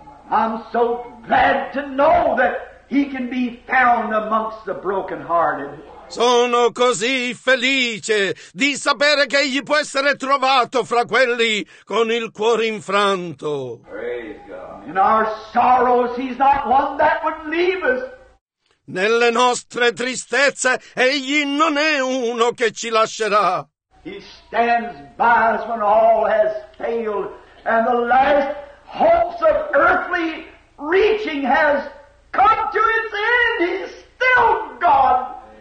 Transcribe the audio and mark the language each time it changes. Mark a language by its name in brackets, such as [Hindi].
[English] I'm so glad to know that he can be found amongst the brokenhearted. [Italian] Sono così felice di sapere che egli può essere trovato fra quelli con il cuore infranto. [English] In our sorrows, he's not one that would leave us. [Italian] Nelle nostre tristezze, egli non è uno che ci lascerà. [English] He stands by us when all has failed and the last hopes of earthly reaching has come to its end. He's still God.